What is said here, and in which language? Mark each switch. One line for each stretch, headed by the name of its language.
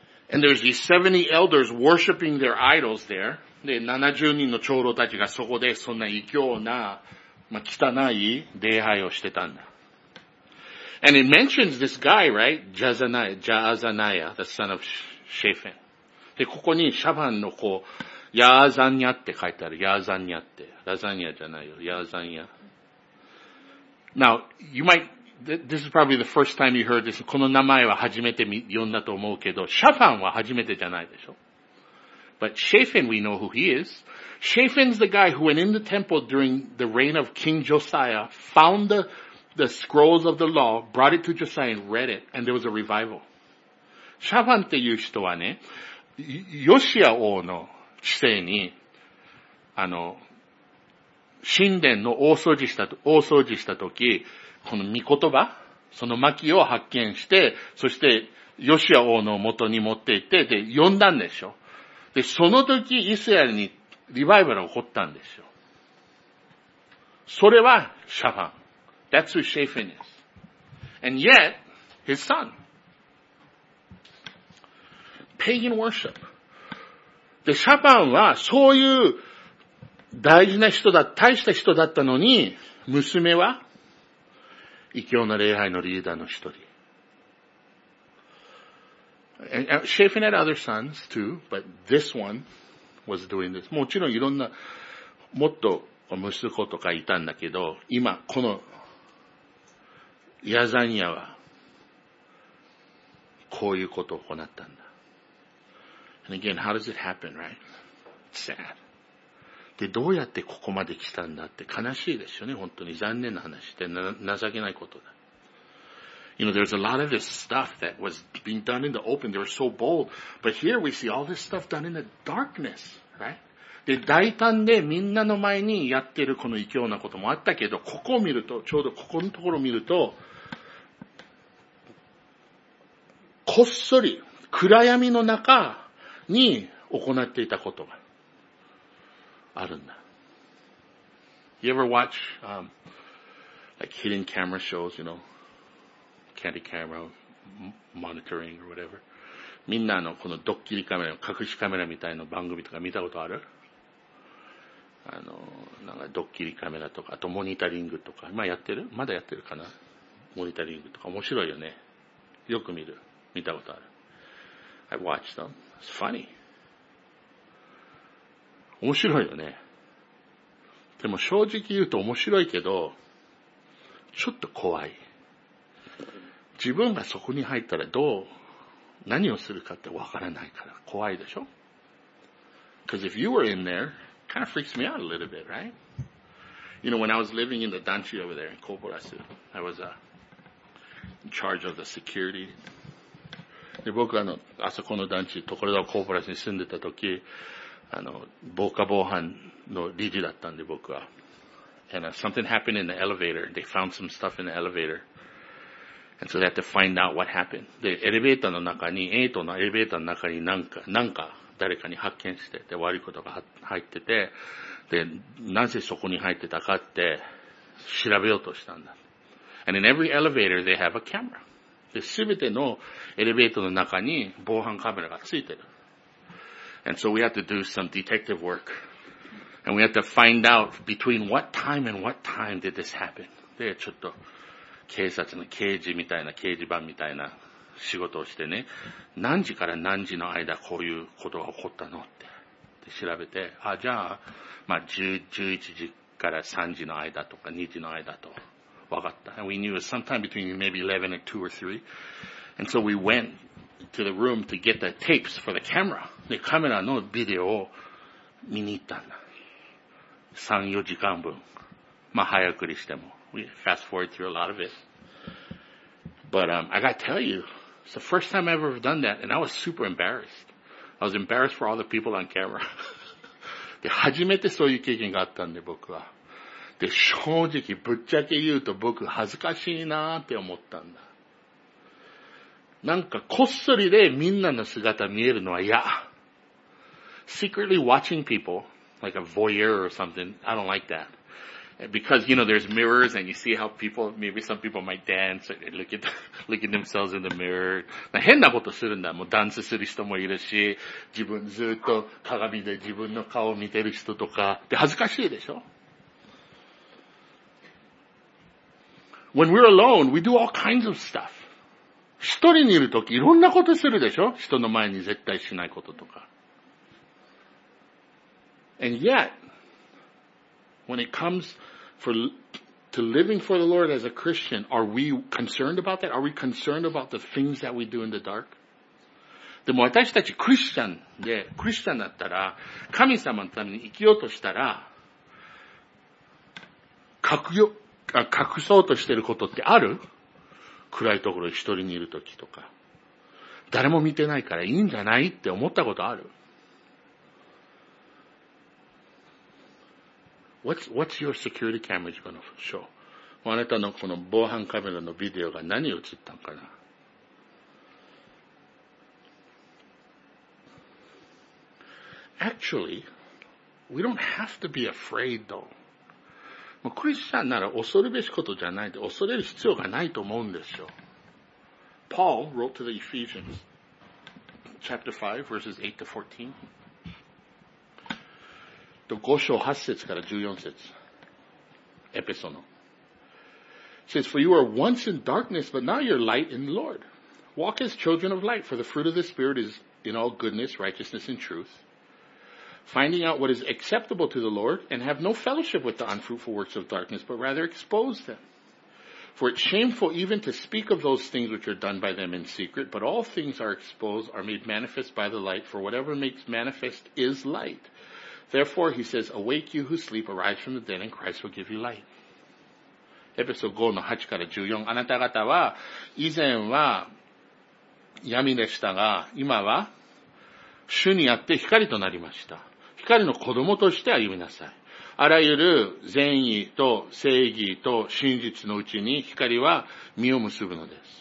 English: And there's these 70 elders worshiping their idols there.
Japanese: で、70人の長老たちがそこでそんな異教な、まあ、汚い礼拝をしてたんだ。
English: And it mentions this guy, right? Jaazaniah, the son of Shaphan.
Japanese: で、ここにシャファンの子、ヤーザニャって書いてある。ヤーザニャって。ラザニャじゃないよ。ヤーザニャ。
English: Now, you might, this is probably the first time you heard this.
Japanese: この名前は初めて読んだと思うけど、シャファンは初めてじゃないでしょ。
English: But Shaphan, we know who he is. Shaphan's the guy who went in the temple during the reign of King Josiah, found the scrolls of the law, brought it to Josiah and read it, and there was a revival.
Japanese: シャファンっていう人はね、ヨシア王の治世に、神殿の大掃除したとき、この御言葉、その巻を発見して、そしてヨシア王の元に持って行って、で、読んだんでしょ。で、その時、イスラエルにリバイバルが起こったんですよ。それは、シャファン。
English: That's who Shaphan is. And yet, his son. Pagan worship.
Japanese: で、シャファンは、そういう大事な人だ、大した人だったのに、娘は、異教の礼拝のリーダーの一人。
English: And Shaphan had other sons too, but this one was doing this.
Japanese: もちろんいろんな、もっと息子とかいたんだけど、今、この、ヤザニアは、こういうことを行ったんだ。
English: And again, how does it happen, right? It's sad.
Japanese: で、どうやってここまで来たんだって悲しいですよね、本当に。残念な話で、情けないことだ。
English: You know, there's a lot of this stuff that was being done in the open. They were so bold. But here we see all this stuff done in the darkness, right?
Japanese: で、大胆でみんなの前にやってるこの異教なこともあったけど、ここを見ると、ちょうどここのところを見ると、こっそり暗闇の中に行っていたことがあるんだ。
English: You ever watch, like hidden camera shows, you know? Candy camera, monitoring or whatever.
Japanese: みんなこのドッキリカメラ、隠しカメラみたいな番組とか見たことある？なんかドッキリカメラとか、あとモニタリングとか、まあやってる？まだやってるかな？モニタリングとか面白いよね。よく見る。見たことある。
English: I watched them. It's funny.
Japanese: 面白いよね。でも正直言うと面白いけど、ちょっと怖い。自分がそこに入ったらどう、何をするかってわからないから怖いでしょ。
English: Because if you were in there, kind of freaks me out a little bit, right? You know, when I was living in the danchi over there in Koporasu, I was in charge of the security.
Japanese: で、僕はあそこの団地、所沢コーポラスに住んでた時、防火防犯の理事だったんで、僕は。
English: And something happened in the elevator. They found some stuff in the elevator. And so they had to find out what happened.
Japanese: で、エレベーターの中に、エイトのエレベーターの中になんか誰かに発見して、で、悪いことが入ってて、で、なぜそこに入ってたかって調べようとしたんだ。
English: And in every elevator, they have a camera.
Japanese: で、すべてのエレベーターの中に防犯カメラがついてる。
English: And so we had to do some detective work. And we had to find out between what time and what time did this happen.
Japanese: で、ちょっと警察の刑事みたいな、刑事番みたいな仕事をしてね、何時から何時の間こういうことが起こったのって、で調べて、あ、じゃあ、まあ、11時から3時の間とか2時の間と。わかった。
English: And we knew it was sometime between maybe 11 and 2 or 3. And so we went to the room to get the tapes for the camera.
Japanese: で、カメラのビデオを見に行ったんだ。 3、4時間分。まあ、早送りしても。
English: We fast forward through a lot of it. But, I gotta tell you, it's the first time I've ever done that, and I was super embarrassed. I was embarrassed for all the people on camera.
Japanese: で、初めてそういう経験があったんで、僕は。で、正直、ぶっちゃけ言うと僕恥ずかしいなーって思ったんだ。なんか、こっそりでみんなの姿見えるのは嫌。
English: Secretly watching people, like a voyeur or something, I don't like that. Because, you know, there's mirrors and you see how people, maybe some people might dance, or look at themselves in the mirror.
Japanese: 変なことするんだ。もうダンスする人もいるし、自分ずっと鏡で自分の顔を見てる人とか、で、恥ずかしいでしょ？
English: When we're alone, we do all kinds of stuff.
Japanese: 一人にいるとき、いろんなことするでしょ？人の前に絶対しないこととか。
English: And yet, when it comes to living for the Lord as a Christian, are we concerned about that? Are we concerned about the things that we do in the dark?
Japanese: でも私たちクリスチャンで、クリスチャンだったら、神様のために生きようとしたら、隠そうとしてることってある？暗いところ一人にいるときとか。誰も見てないからいいんじゃないって思ったことある？
English: What's your security camera gonna show?
Japanese: あなたのこの防犯カメラのビデオが何を映ったのかな？
English: Actually, we don't have to be afraid though.
Japanese: クリスチャンなら恐るべきことじゃないで、恐れる必要がないと思うんですよ。
English: Paul wrote to the Ephesians, chapter 5, verses 8-14.
Japanese: 5章8節から14節。エペソの。
English: It says, For you were once in darkness, but now you're light in the Lord. Walk as children of light, for the fruit of the Spirit is in all goodness, righteousness, and truth. Finding out what is acceptable to the Lord and have no fellowship with the unfruitful works of darkness, but rather expose them. For it's shameful even to speak of those things which are done by them in secret, but all things are exposed, are made manifest by the light, for whatever makes manifest is light. Therefore, he says, Awake you who sleep, arise from the dead, and Christ will give you light.
Japanese: エペソ5の8から14、あなた方は以前は闇でしたが、今は主にあって光となりました。光の子供として歩みなさい。あらゆる善意と正義と真実のうちに光は実を結ぶのです。